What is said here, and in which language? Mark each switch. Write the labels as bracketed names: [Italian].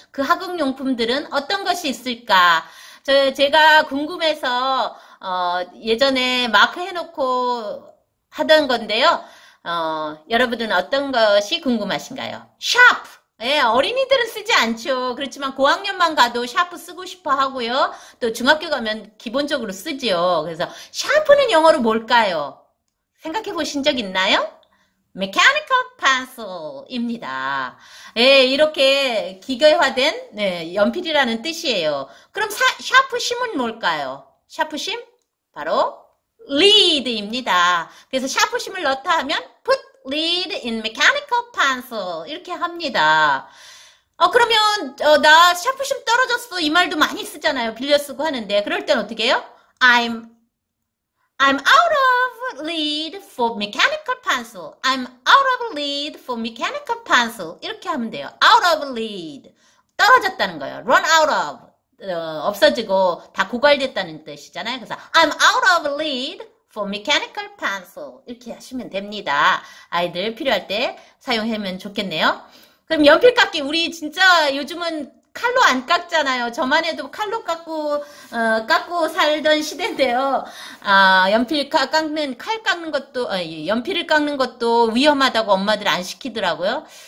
[Korean] 그 학용용품들은 어떤 것이 있을까? 제가 궁금해서 예전에 마크 해놓고 하던 건데요. 여러분들은 어떤 것이 궁금하신가요? 샤프! 예, 어린이들은 쓰지 않죠. 그렇지만 고학년만 가도 샤프 쓰고 싶어 하고요. 또 중학교 가면 기본적으로 쓰지요. 그래서 샤프는 영어로 뭘까요? 생각해 보신 적 있나요? [English] Mechanical pencil입니다. [Korean] 예, 이렇게 기계화된, 네, 연필이라는 뜻이에요. 그럼 샤프 심은 뭘까요? 샤프 심? 바로 lead입니다. 그래서 샤프 심을 넣다 하면 [English] put lead in mechanical pencil [Korean] 이렇게 합니다. 그러면 나 샤프 심 떨어졌어, 이 말도 많이 쓰잖아요. 빌려 쓰고 하는데 그럴 땐 어떻게 해요? [English] I'm out of lead for mechanical pencil. I'm out of lead for mechanical pencil [Korean] 이렇게 하면 돼요. [English] Out of lead, [Korean] 떨어졌다는 거예요. [English] Run out of, [Korean] 없어지고 다 고갈됐다는 뜻이잖아요. 그래서 [English] I'm out of lead for mechanical pencil [Korean] 이렇게 하시면 됩니다. 아이들 필요할 때 사용하면 좋겠네요. 그럼 연필 깎기, 우리 진짜 요즘은 칼로 안 깎잖아요. 저만 해도 칼로 깎고 살던 시대인데요. 연필 깎는, 칼 깎는 것도, 연필을 깎는 것도 위험하다고 엄마들 안 시키더라고요.